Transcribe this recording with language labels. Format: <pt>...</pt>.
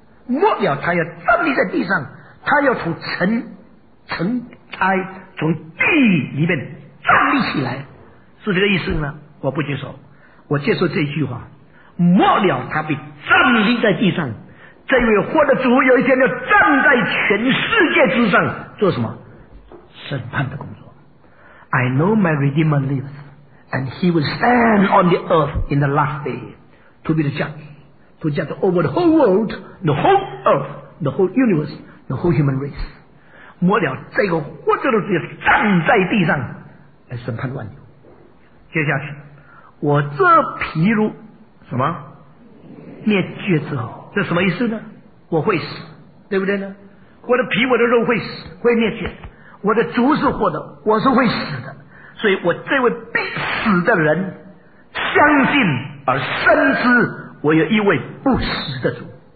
<zh>末了他要站立在地上，他要从尘埃从地里面站立起来，是这个意思吗？我不接受，我接受这句话，末了他必站立在地上，这位活的主有一天要站在全世界之上做什么？审判的工作。</zh> <en>I know my Redeemer lives and he will stand on the earth in the last day to be the judge, to judge over the whole world, the whole earth, the whole universe, the whole human race。</en> <zh>末了这个活着的主要站在地上来审判万有。接下去，我这疲辱什么灭绝之后，这什么意思呢？我会死，对不对呢？我的皮我的肉会死会灭绝，我的主是活的，我是会死的，所以我这位必死的人相信而深知我有一位不死的主，</zh>